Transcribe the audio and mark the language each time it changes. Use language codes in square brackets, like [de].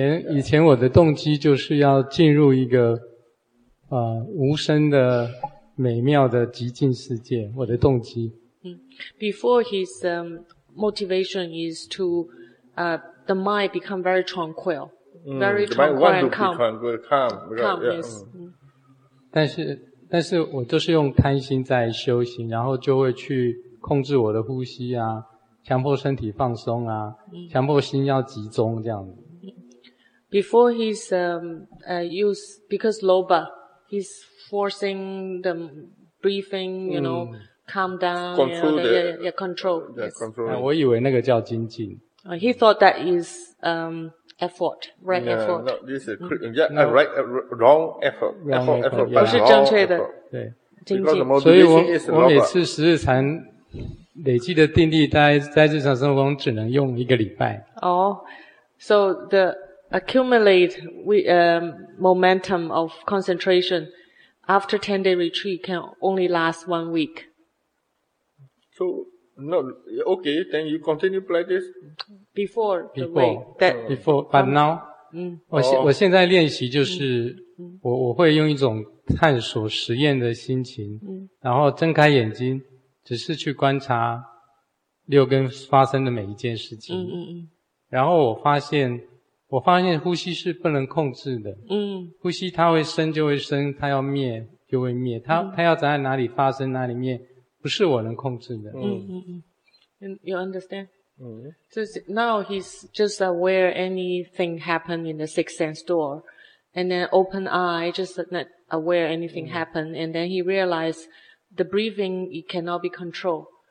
[zh] 以前我的动机就是要进入一个无声的美妙的极静世界，我的动机。 [en] Before his motivation is to the mind become very tranquil, very tranquil and calm. Calm, yes. [zh] 但是我就是用贪心在修行，然后就会去控制我的呼吸啊，强迫身体放松啊，强迫心要集中这样子。 [en] Before his use because loba. He's forcing the breathing, you know, calm down. Control, you know, control. Yeah, control. [zh] 我以为那个叫精进。 [en] He thought that is effort, right? Yeah, effort. No, this is right, wrong effort. Wrong effort. [zh] 不是正确的。对，精进。所以我每次十日禅累积的定力，在日常生活中只能用一个礼拜。 [en] Oh, so the. Accumulate momentum of concentration after 10-day retreat can only last 1 week. So, no, okay, then you continue like this? Before the before, way. That, before, but now? [zh] 我现在练习就是我会用一种探索实验的心情然后睁开眼睛只是去观察六根发生的每一件事情然后我发现呼吸是不能控制的。呼吸它会生就会生，它要灭就会灭，它要在哪里发生哪里灭，不是我能控制的。 [en] You understand? So now he's just aware anything happen in the sixth sense door, and then open eye just not aware anything happen, and then he realized the breathing it cannot be controlled.